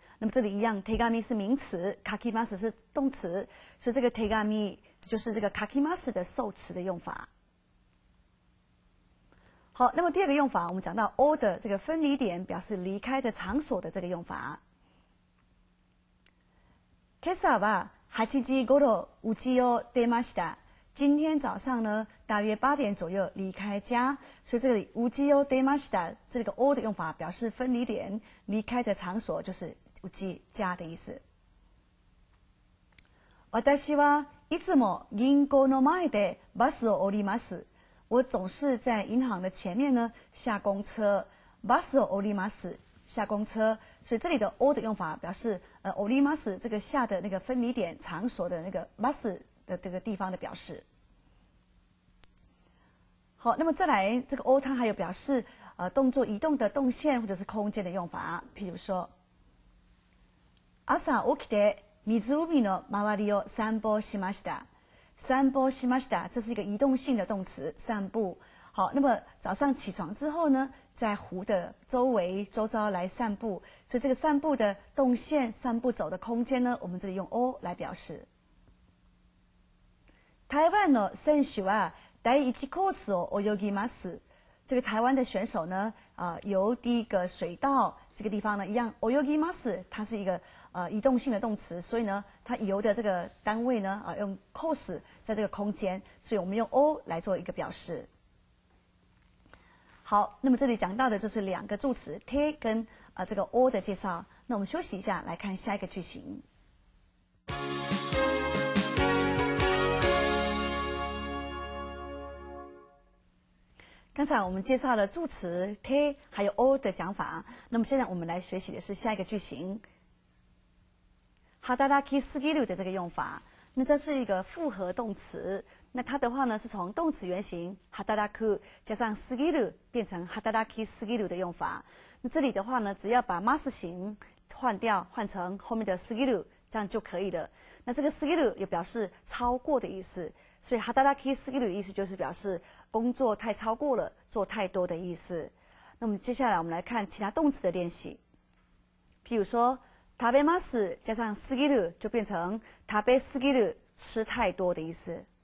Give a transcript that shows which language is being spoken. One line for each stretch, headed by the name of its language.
Chinese: 那么这里一样，手紙是名词，書きます是动词，所以这个手紙就是这个書きます的受词的用法。好，那么第二个用法，我们讲到 O 的这个分离点，表示离开的场所的这个用法。
Japanese: 今朝は八時頃家を出ました。
Chinese: 今天早上呢，大约八点左右离开家，所以这里
Japanese: 家を出ました
Chinese: 这个 O 的用法表示分离点、离开的场所，就是家的意思。
Japanese: 私はいつも銀行の前でバスを降ります。
Chinese: 我总是在银行的前面呢下公车。
Japanese: バスを降ります
Chinese: 下公车，所以这里的 o 的用法表示o r i m a s 这个下的那个分离点场所的那个 mas 的这个地方的表示。好，那么再来这个 o 它还有表示动作移动的动线或者是空间的用法，譬如说
Japanese: 朝起きて湖の周りを散歩しました。散歩しました，
Chinese: 这是一个移动性的动词，散步。好，那么早上起床之后呢，在湖的周围、周遭来散步，所以这个散步的动线、散步走的空间呢，我们这里用 O 来表示。
Japanese: 台湾の選手は第一コースを泳ぎます。
Chinese: 这个台湾的选手呢，由第一个水道这个地方呢，一样
Japanese: 泳ぎます，
Chinese: 它是一个移动性的动词，所以呢，它游的这个单位呢，用 cos 在这个空间，所以我们用 o 来做一个表示。好，那么这里讲到的就是两个助词 te 跟这个 o 的介绍。那我们休息一下，来看下一个句型。刚才我们介绍了助词 te 还有 o 的讲法，那么现在我们来学习的是下一个句型。働きすぎる的这个用法，那这是一个复合动词，那它的话呢是从动词原型働く加上すぎる变成働きすぎる的用法。那这里的话呢，只要把mas形换掉，换成后面的すぎる，这样就可以了。那这个すぎる也表示超过的意思，所以働きすぎる的意思就是表示工作太超过了，做太多的意思。那么接下来我们来看其他动词的练习，譬如说食べます加上すぎる就变成食べすぎる吃太多的意思。